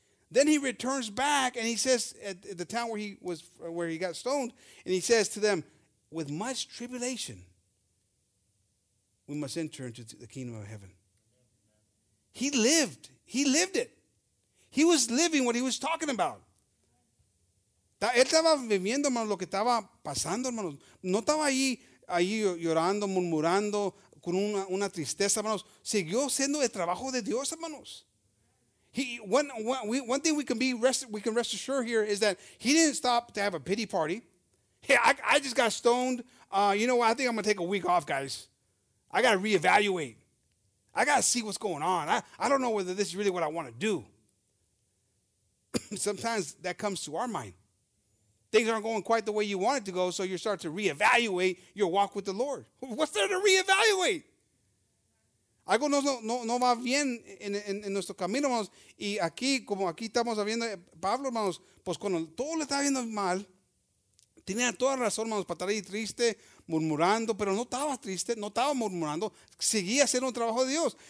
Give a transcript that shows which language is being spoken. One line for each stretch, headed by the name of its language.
English: Then he returns back and he says at the town where he was, where he got stoned, and he says to them, with much tribulation, we must enter into the kingdom of heaven. He lived. He lived it. He was living what he was talking about.
Spanish: Él estaba viviendo, hermano, lo que estaba pasando, hermano. No estaba ahí llorando, murmurando, con una tristeza, hermanos. Siguió siendo el trabajo de Dios, hermanos.
English: One thing we can rest assured here is that he didn't stop to have a pity party. Hey, I just got stoned. You know what? I think I'm going to take a week off, guys. I got to reevaluate. I got to see what's going on. I don't know whether this is really what I want to do. sometimes that comes to our mind. Things aren't going quite the way you want it to go, so you start to reevaluate your walk with the Lord. What's there to reevaluate?
Spanish: Algo no va bien en nuestro camino, hermanos. Y aquí, como aquí estamos viendo, Pablo, hermanos, pues cuando todo le estaba viendo mal, tenía toda razón, hermanos, para estar ahí triste, murmurando, pero no estaba triste, no estaba murmurando, seguía haciendo el trabajo de Dios.